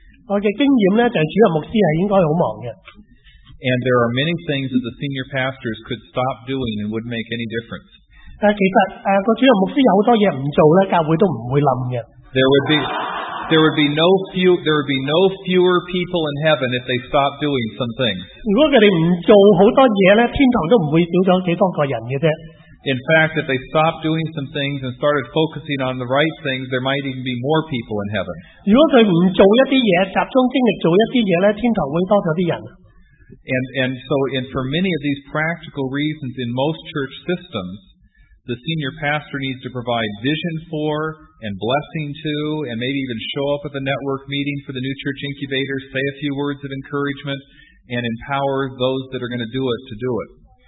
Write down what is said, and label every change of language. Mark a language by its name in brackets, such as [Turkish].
[Chinese] 我的经验呢就是主任牧师是应该很忙的。 [English] And there are many things that the senior pastors could stop doing and wouldn't make any difference. [Chinese] 但其实主任牧师有很多事不做呢教会都不会倒的。 [English] There would be no fewer people in heaven if they stopped doing some things. [Chinese] 如果他们不做很多事呢天堂都不会少了几多个人的。 [English] In fact, if they stopped doing some things and started focusing on the right things, there might even be more people in heaven. [Chinese] 如果他不做一些事集中精力做一些事天堂会多了一些人。 [English] And for many of these practical reasons, in most church systems, the senior pastor needs to provide vision for and blessing to and maybe even show up at the network meeting for the new church incubator, say a few words of encouragement and empower those that are going to do it to do it.